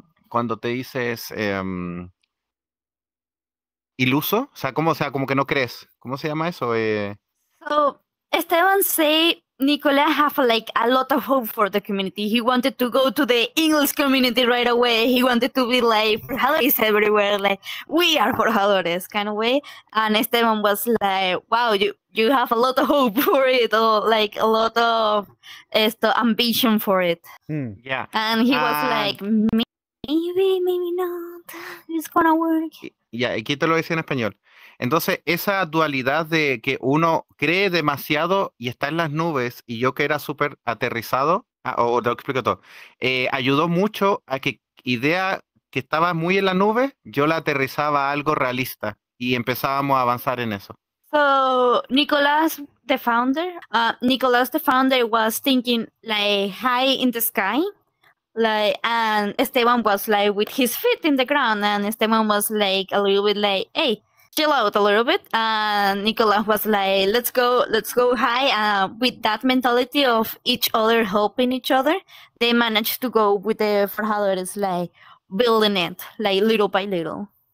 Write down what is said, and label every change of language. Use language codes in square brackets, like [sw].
[es] Cuando te dices iluso, o sea, como que no crees. ¿Cómo se llama eso? [en] So Esteban say Nicolas have like a lot of hope for the community. He wanted to go to the English community right away. He wanted to be like, Forjadores everywhere, like, we are Forjadores kind of way. And Esteban was like, wow, you have a lot of hope for it, or like a lot of ambition for it. Yeah. And he was like, maybe, maybe not. It's gonna work. Yeah, [es] aquí te lo decía en español. Entonces, esa dualidad de que uno cree demasiado y está en las nubes, y yo que era súper aterrizado, te lo explico todo, ayudó mucho a que idea que estaba muy en la nube, yo la aterrizaba a algo realista, y empezábamos a avanzar en eso. [en] So, Nicolas, the founder, was thinking like high in the sky, like, and Esteban was like with his feet in the ground, and Esteban was like a little bit like, hey, chill out a little bit, and Nicolas was like, let's go high, with that mentality of each other helping each other, they managed to go with the Forjadores, like, building it, like, little by little.